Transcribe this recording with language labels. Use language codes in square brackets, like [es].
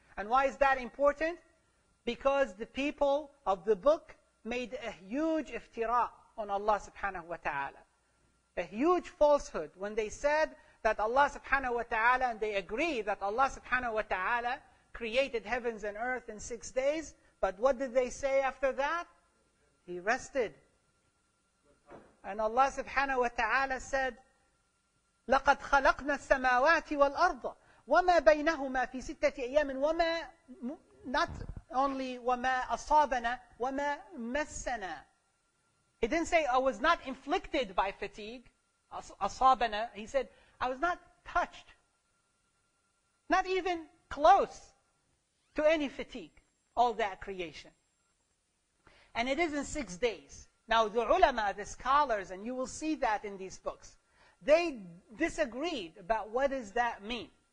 [en] And why is that important? Because the people of the book made a huge iftira on Allah subhanahu wa ta'ala. A huge falsehood when they said that Allah subhanahu wa ta'ala, and they agree that Allah subhanahu wa ta'ala created heavens and earth in 6 days. But what did they say after that? He rested. And Allah subhanahu wa ta'ala said, [ar] لَقَدْ خَلَقْنَا السَّمَاوَاتِ وَالْأَرْضَ وَمَا بَيْنَهُمَا فِي سِتَّةِ أَيَّامٍ وَمَا [en] not only [ar] وَمَا أَصَابَنَا وَمَا مَسَّنَا. [en] He didn't say, I was not inflicted by fatigue. [ar] أَصَابَنَا. [en] He said, I was not touched. Not even close to any fatigue. All that creation. And it is in 6 days. Now the ulama, the scholars, and you will see that in these books, they disagreed about what does that mean.